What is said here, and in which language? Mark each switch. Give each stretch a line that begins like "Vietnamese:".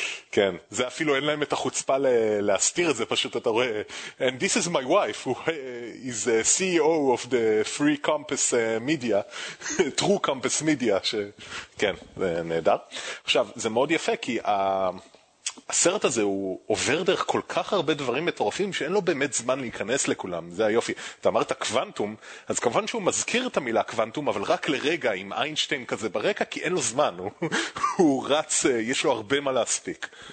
Hebrew: כן, זה אפילו אין להם את החוצפה להסתיר את זה, פשוט אתה רואה.
English: And this is my wife, who is the CEO of the free campus media, true campus media,
Hebrew: כן, זה נהדר. עכשיו, זה מאוד יפה, כי הסרט הזה הוא עובר דרך כל כך הרבה דברים מטורפים שאין לו באמת זמן להיכנס לכולם. זה היופי. אתה אמרת קוונטום, אז כמובן שהוא מזכיר את המילה קוונטום, אבל רק לרגע עם איינשטיין כזה ברקע, כי אין לו זמן. הוא רץ, יש לו הרבה מה להספיק.